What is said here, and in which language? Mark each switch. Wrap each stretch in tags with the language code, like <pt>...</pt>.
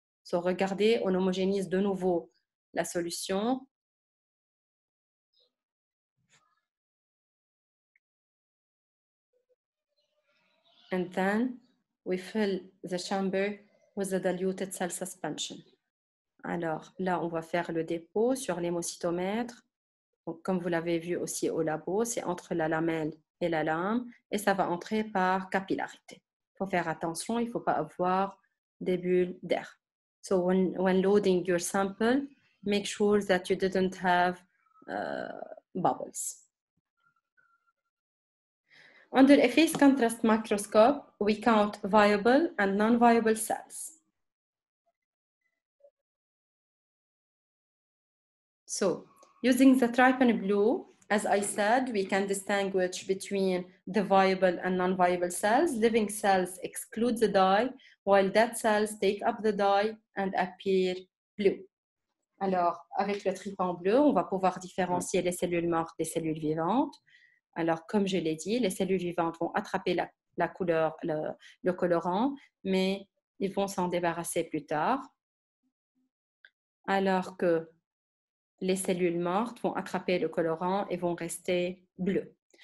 <fr>So regardez, on homogénise de nouveau la solution.</fr> <en>And then we fill the chamber with the diluted cell suspension.</en> <fr>Alors là, on va faire le dépôt sur l'hémocytomètre. Donc, comme vous l'avez vu aussi au labo, c'est entre la lamelle et la lame et ça va entrer par capillarité. Il faut faire attention, il ne faut pas avoir des bulles d'air.</fr> <en>So when loading your sample, make sure that you didn't have bubbles. Under a phase contrast microscope, we count viable and non-viable cells. So, using the trypan blue, as I said, we can distinguish between the viable and non-viable cells. Living cells exclude the dye, while dead cells take up the dye and appear blue.</en> <fr>Alors, avec le trypan bleu, on va pouvoir différencier les cellules mortes des cellules vivantes. Alors, comme je l'ai dit, les cellules vivantes vont attraper la couleur, le colorant, mais ils vont s'en débarrasser plus tard. Alors que les cellules mortes vont attraper le colorant et vont rester bleues.</fr>